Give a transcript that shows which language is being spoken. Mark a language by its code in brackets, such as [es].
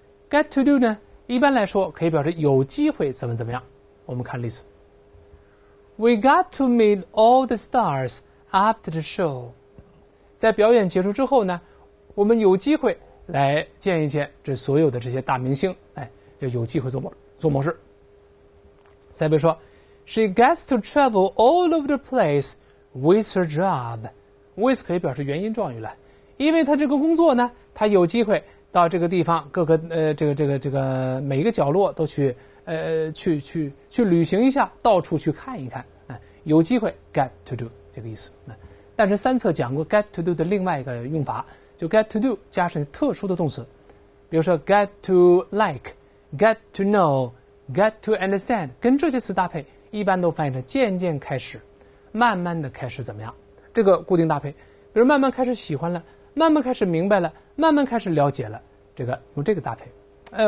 [en] get to do [zh] 呢，一般来说可以表示有机会怎么怎么样。我们看例子， [en] We got to meet all the stars after the show。 [zh] 在表演结束之后呢，我们有机会来见一见这所有的这些大明星，就有机会做某事。再比如说 [en] She gets to travel all over the place with her job。 [zh] with 可以表示原因状语了，因为她这个工作呢，她有机会到这个地方各个每一个角落都去去旅行一下，到处去看一看，有机会 [en] get to do [zh] 这个意思。但是三册讲过 [en] get to do [zh] 的另外一个用法，就 get to do 加上特殊的动词，比如说 get to like， get to know， get to understand， 跟这些词搭配一般都翻译成渐渐开始，慢慢的开始怎么样，这个固定搭配，比如慢慢开始喜欢了，慢慢开始明白了，慢慢开始了解了，这个用这个搭配。